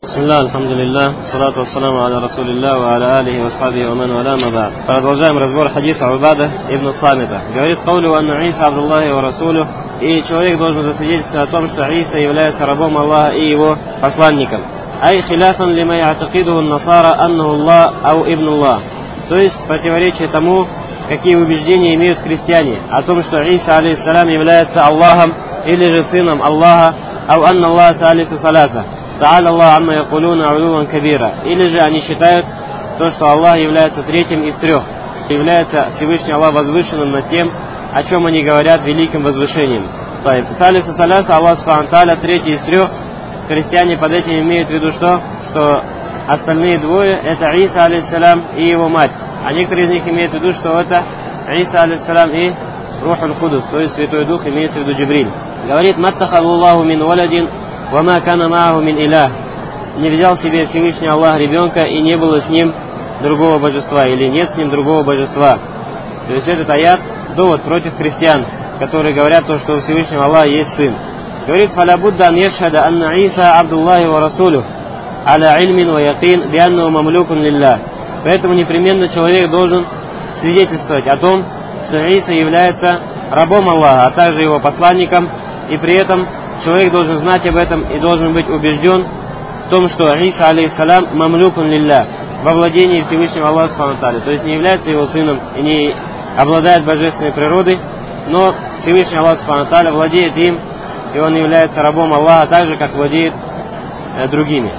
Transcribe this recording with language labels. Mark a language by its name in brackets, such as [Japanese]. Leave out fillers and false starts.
[Arabic] بسم الله الحمد لله والصلاة والسلام على رسول الله وعلى آله وصحبه ومن والاه ما بعد. [Russian] Продолжаем разбор хадиса Убада ибн Самита. [Arabic] Говорит قوله أن عيسى عبد الله ورسوله. [Russian] И человек должен засвидетельствовать о том, что Иса является рабом Аллаха и его посланником. [Arabic] أي خلافا لما يعتقده النصارى أنه الله أو ابن الله. [Russian] То есть противоречие тому, какие убеждения имеют христиане о том, что Иса алейхиссалям является Аллахом или же сыном Аллаха, [Arabic] أو أن الله ثالث ثلاثة. تعالى الله عما يقولون علوا كبيرا. [Russian] Или же они считают то, что Аллах является третьим из трех, является Всевышний Аллах возвышенным над тем, о чем они говорят великим возвышением. Салиса саляса, Аллах субхану тааля, третий из трех. Христиане под этим имеют в виду что? Что остальные двое это Иса алейхиссалям и его мать. А некоторые из них имеют в виду, что это Иса алейхиссалям и Рухуль Кудус, то есть Святой Дух, имеется в виду Джибриль. [Arabic] Говорит маттахаллаху мин валядин وَمَا كَانَ مَعَهُ مِنْ إِلَهِ. [Russian] Не взял себе Всевышний Аллах ребенка, и не было с ним другого божества, или нет с ним другого божества. То есть этот аят – довод против христиан, которые говорят, то, что у Всевышнего Аллаха есть сын. [Arabic] Говорит فَلَبُدَّ أَنْ يَشْهَدَ أَنَّ عِيسَى عَبْدُ اللَّهِ وَرَسُولُهُ عَلَى عِلْمٍ وَيَقِينٍ بِأَنَّهُ مَمْلُوكٌ لِلَّهِ. [Russian] Поэтому непременно человек должен свидетельствовать о том, что Иса является рабом Аллаха, а также его посланником, и при этом человек должен знать об этом и должен быть убежден в том, что Иса алейхиссалям мамлюкун лилля, во владении Всевышнего Аллаха субхана тааля, то есть не является его сыном и не обладает божественной природой, но Всевышний Аллах субхана тааля владеет им, и он является рабом Аллаха так же, как владеет другими.